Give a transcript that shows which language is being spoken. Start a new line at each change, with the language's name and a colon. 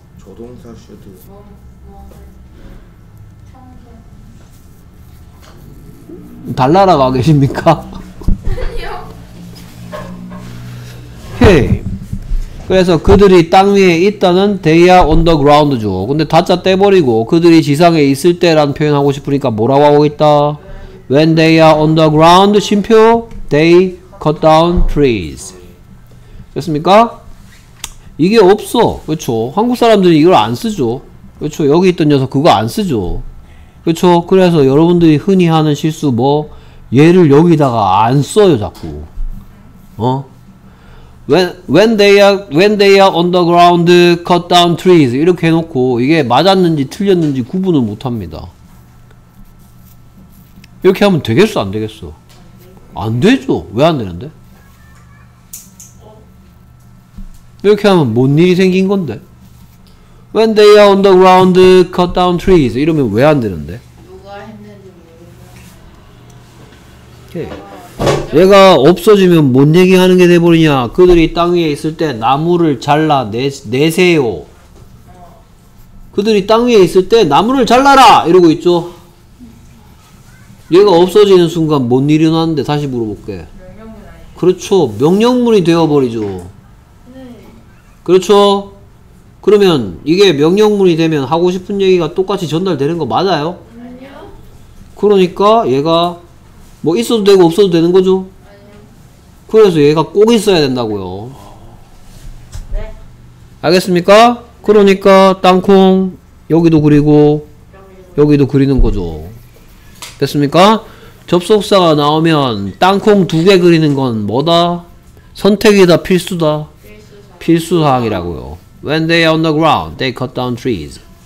Korean: 조동사 should. 달나라 가 계십니까? 아니요. 헤이. 그래서 그들이 땅 위에 있다는
English: they are on the ground
Korean: 죠. 근데 다짜 떼버리고 그들이 지상에 있을 때라는 표현하고 싶으니까 뭐라고 하고 있다?
English: When they are on the ground, 심표 they cut down trees.
Korean: 됐습니까? 이게 없어. 그렇죠. 한국 사람들이 이걸 안 쓰죠. 그렇죠. 여기 있던 녀석 그거 안 쓰죠. 그렇죠. 그래서 여러분들이 흔히 하는 실수 뭐 얘를 여기다가 안 써요 자꾸. 어?
English: When they are on the ground cut down trees
Korean: 이렇게 해놓고 이게 맞았는지 틀렸는지 구분을 못합니다. 이렇게 하면 되겠어 안 되겠어? 안 되죠. 왜 안 되는데? 이렇게 하면 뭔 일이 생긴 건데?
English: When they are on the ground, cut down trees.
Korean: 이러면 왜 안 되는데? 누가 했는지 모르겠어. 얘가 없어지면 뭔 얘기하는 게 돼버리냐? 그들이 땅 위에 있을 때 나무를 잘라 내세요. 어. 그들이 땅 위에 있을 때 나무를 잘라라! 이러고 있죠? 얘가 없어지는 순간 뭔 일이 일어났는데 다시 물어볼게. 명령문 아니에요? 그렇죠. 명령문이 되어버리죠. 그렇죠? 그러면 이게 명령문이 되면 하고 싶은 얘기가 똑같이 전달되는 거 맞아요? 아니요. 그러니까 얘가 뭐 있어도 되고 없어도 되는 거죠? 아니요. 그래서 얘가 꼭 있어야 된다고요. 네. 알겠습니까? 그러니까 땅콩 여기도 그리고 여기도 그리는 거죠. 됐습니까? 접속사가 나오면 땅콩 두 개 그리는 건 뭐다? 선택이다 필수다. 필수사항이라고요.
English: When they are on the ground, they cut down trees.